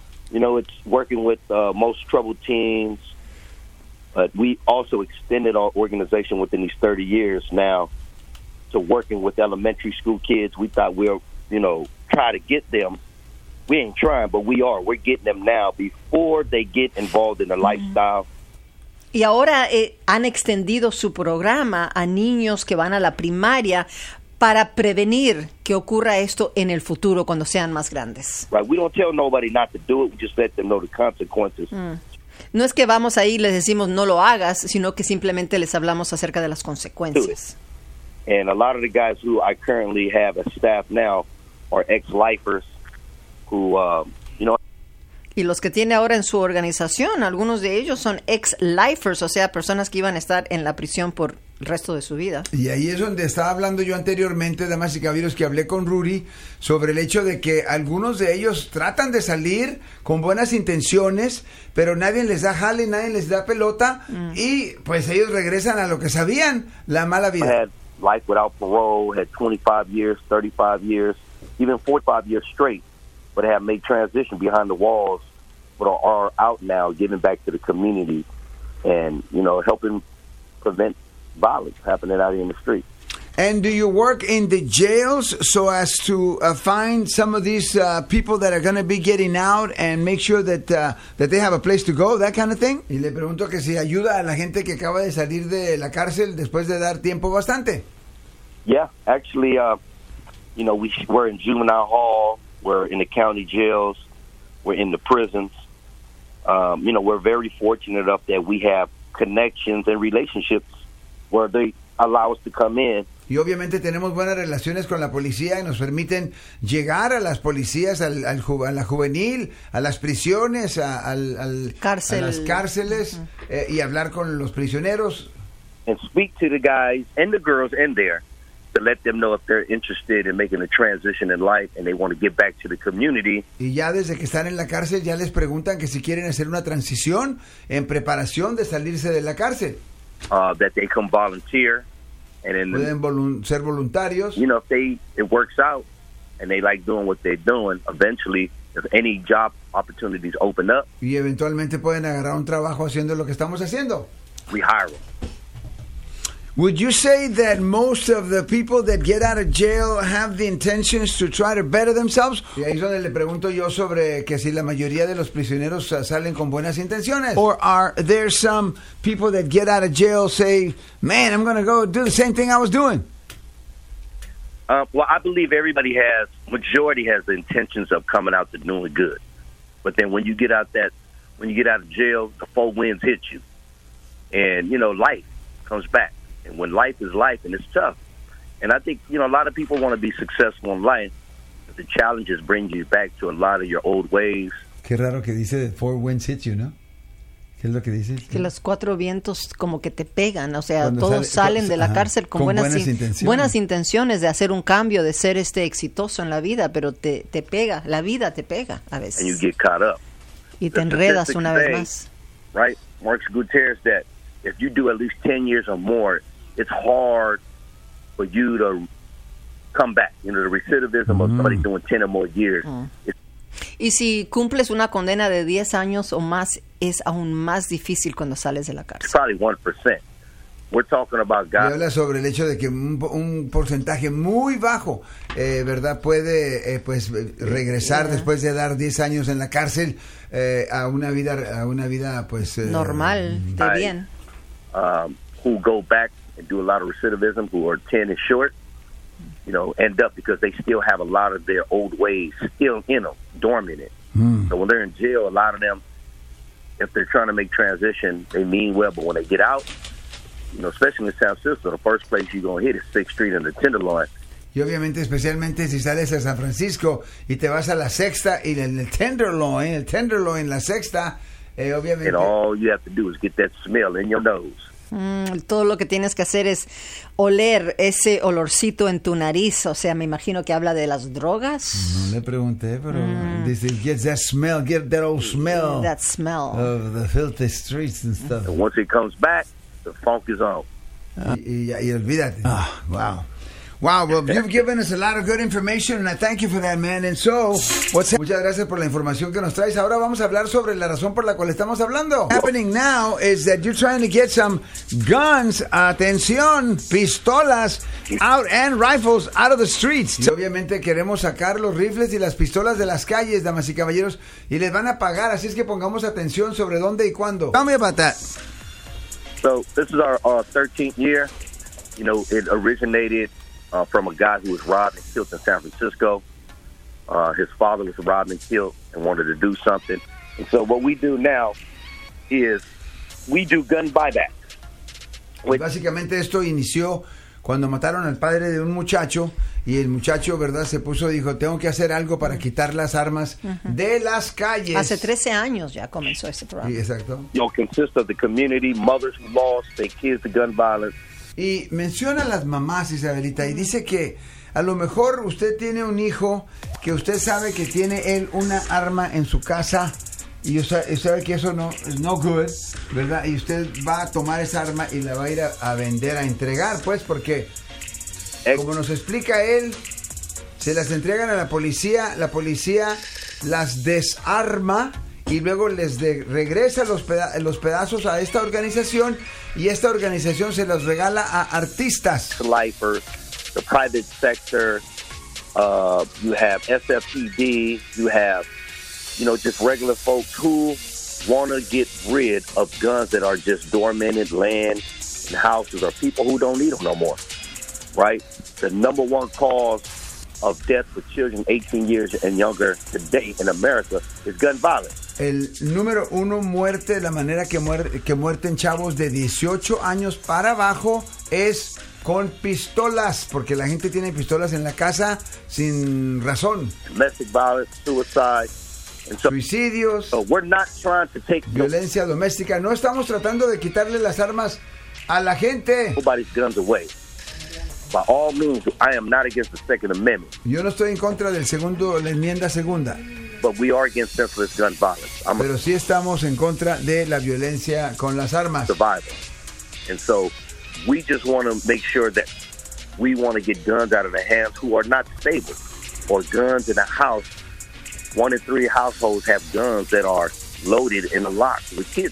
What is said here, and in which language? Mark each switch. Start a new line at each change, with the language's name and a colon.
English: You know, it's working with most troubled teens, but we also extended our organization within these 30 years now. To working with elementary school kids, we thought we'll, you know, try to get them. We ain't trying, but we are. We're getting them now before they get involved in a lifestyle.
Spanish: Y ahora han extendido su programa a niños que van a la primaria para prevenir que ocurra esto en el futuro cuando sean más grandes.
English: Right, we don't tell nobody not to do it. We just let them know the consequences.
Spanish: No es que vamos ahí y les decimos no lo hagas, sino que simplemente les hablamos acerca de las consecuencias.
English: And a lot of the guys who I currently have as staff now are ex-lifers who, you know.
Spanish: Y los que tiene ahora en su organización, algunos de ellos son ex-lifers, o sea, personas que iban a estar en la prisión por el resto de su vida. Y ahí es donde estaba hablando yo anteriormente, damas y caballeros, que hablé con Rudy sobre el hecho de que algunos de ellos tratan de salir con buenas intenciones, pero nadie les da jale, nadie les da pelota, y pues ellos regresan a lo que sabían, la mala vida.
English: life without parole, had 25 years, 35 years, even 45 years straight, but have made transition behind the walls, but are out now giving back to the community and, you know, helping prevent violence happening out in the street. And do you work in the jails so as to find some of these people that are going to be getting out and make sure that that they have a place to go, that kind of thing?
Spanish: Y le pregunto que si ayuda a la gente que acaba de salir de la cárcel después de dar tiempo bastante.
English: Yeah, actually, you know, we're in juvenile hall, we're in the county jails, we're in the prisons. You know, we're very fortunate enough that we have connections and relationships where they allow us to come in.
Spanish: Y obviamente tenemos buenas relaciones con la policía y nos permiten llegar a las policías, a la juvenil, a las prisiones, cárcel. A las cárceles, uh-huh. Y hablar con los prisioneros.
English: And speak to the guys and the girls in there to let them know if they're interested in making a transition in life and they want to give back to the community.
Spanish: Y ya desde que están en la cárcel ya les preguntan que si quieren hacer una transición en preparación de salirse de la cárcel.
English: That they come volunteer. And then,
Spanish: pueden ser voluntarios.
English: You know, if it works out and they like doing what they're doing, eventually, if any job opportunities open up,
Spanish: y eventualmente pueden agarrar un trabajo haciendo lo que estamos haciendo,
English: we hire them. Would you say that most of the people that get out of jail have the intentions to try to better themselves?
Spanish: Y ahí es donde le pregunto yo sobre que si la mayoría de los prisioneros salen con buenas intenciones.
English: Or are there some people that get out of jail say, man, I'm going to go do the same thing I was doing? Well, I believe majority has the intentions of coming out to doing good. But then when you get out of jail, the four winds hit you. And, you know, life comes back. And when life is life, and it's tough. And I think, you know, a lot of people want to be successful in life, but the challenges bring you back to a lot of your old ways.
Spanish: Qué raro que dice
English: the four winds hit you,
Spanish: ¿no? ¿Qué es lo que dice? Que los cuatro vientos como que te pegan, o sea, cuando todos salen de la cárcel con buenas intenciones de hacer un cambio, de ser exitoso en la vida, pero te pega, la vida te pega a veces.
English: And you get caught up.
Spanish: Y te enredas una vez más.
English: Right? Marcos Gutierrez, that if you do at least 10 years or more, it's hard for you to come back. You know, the recidivism of somebody doing 10 or more years.
Spanish: Y si cumples una condena de 10 años o más, es aún más difícil cuando sales de la cárcel.
English: It's probably 1%. We're talking about God.
Spanish: Y habla sobre el hecho de que un porcentaje muy bajo, ¿verdad? Puede, pues, regresar después de dar 10 años en la cárcel a una vida, pues... normal, de bien.
English: Who go back and do a lot of recidivism, who are 10 and short, you know, end up because they still have a lot of their old ways still in them, dormant in it. So when they're in jail, a lot of them, if they're trying to make transition, they mean well, but when they get out, you know, especially in San Francisco, the first place you're going to hit is 6th Street and the Tenderloin.
Spanish: Y obviamente, especialmente si sales a San Francisco y te vas a la sexta y en el Tenderloin, la sexta, obviamente.
English: And all you have to do is get that smell in your nose.
Spanish: Todo lo que tienes que hacer es oler ese olorcito en tu nariz. O sea, me imagino que habla de las drogas. No le pregunté, pero dice,
English: get that old smell. That smell. Of the filthy streets and stuff. And once it comes back, the funk is on.
Spanish: Y olvídate. Oh, wow.
English: Wow, well, you've given us a lot of good information, and I thank you for that, man. And so,
Spanish: muchas gracias por la información que nos traes. Ahora vamos a hablar sobre la razón por la cual estamos hablando.
English: What's happening now is that you're trying to get some guns,
Spanish: atención, pistolas,
English: out and rifles out of the streets.
Spanish: Y obviamente queremos sacar los rifles y las pistolas de las calles, damas y caballeros, y les van a pagar, así es que pongamos atención sobre dónde y cuándo.
English: Tell me about that. So, this is our 13th year. You know, it originated from a guy who was robbed and killed in San Francisco. His father was robbed and killed and wanted to do something. And so what we do now is we do gun buyback.
Spanish: Básicamente esto inició cuando mataron al padre de un muchacho y el muchacho, ¿verdad?, se puso y dijo, tengo que hacer algo para quitar las armas de las calles. Hace 13 años ya comenzó ese programa. Sí, exacto.
English: You know, consists of the community, mothers who lost their kids to gun violence.
Spanish: Y menciona a las mamás, Isabelita, y dice que a lo mejor usted tiene un hijo que usted sabe que tiene él una arma en su casa y usted sabe que eso no es
English: no good,
Spanish: ¿verdad? Y usted va a tomar esa arma y la va a ir a vender, a entregar, pues, porque Como nos explica él, se las entregan a la policía las desarma y luego les regresa los pedazos a esta organización, y esta organización se los regala a artistas.
English: Lifers, the private sector, you have SFPD, you have, you know, just regular folks who want to get rid of guns that are just dormant in land and houses, or people who don't need them no more, right? The number one cause of death for children 18 years and younger today in America is gun violence.
Spanish: El número uno muerte, la manera que mueren chavos de 18 años para abajo es con pistolas, porque la gente tiene pistolas en la casa sin razón.
English: Domestic violence, suicide,
Spanish: suicidios,
English: we're not trying to take
Spanish: violencia doméstica. No estamos tratando de quitarle las armas a la gente.
English: Nobody's guns away. By all means, I am not against the Second Amendment.
Spanish: Yo no estoy en contra del segundo, la enmienda segunda.
English: But we are against senseless gun violence.
Spanish: Pero sí estamos en contra de la violencia con las armas.
English: Survival. And so we just want to make sure that we want to get guns out of the hands who are not stable, or guns in a house. One in three households have guns that are loaded in a lock with kids.